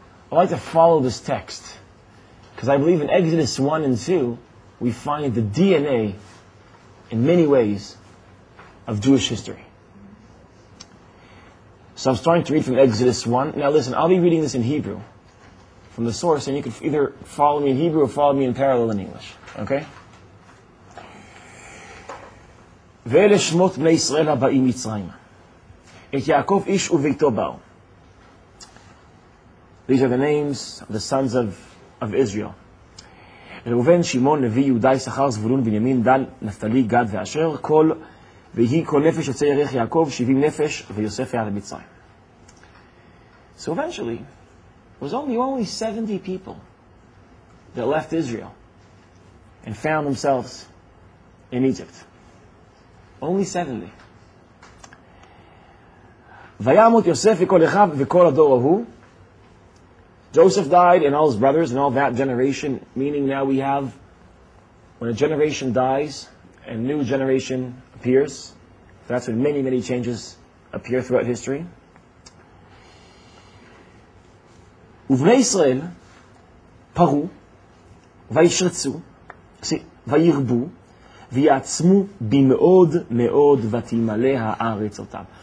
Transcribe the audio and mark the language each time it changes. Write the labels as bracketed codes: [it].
[en] I like to follow this text because I believe in Exodus 1 and 2 we find the DNA in many ways of Jewish history. So I'm starting to read from Exodus 1. Now listen, I'll be reading this in Hebrew from the source, and you can either follow me in Hebrew or follow me in parallel in English. Okay? [he] ואלה שמות בני ישראל הבאים מצרים. את יעקב איש וביתו באו. [en] These are the names of the sons of Israel. [he] ראובן, שמעון, לוי, יהודה, יששכר, זבולון, בנימין, דן, נפתלי, גד ואשר, כל ויהי כל נפש יוצא ירך יעקב, 70 נפש, ויוסף היה למצרים. [en] So eventually, it was only 70 people that left Israel and found themselves in Egypt. Only 70. [he] וימות יוסף וכל אחיו וכל הדור ההוא. [en] Joseph died and all his brothers and all that generation, meaning now we have, when a generation dies and a new generation appears, that's when many, many changes appear throughout history. [he] ובני ישראל פרו וישרצו, וירבו, ויעצמו במאוד מאוד ותמלא הארץ אותם.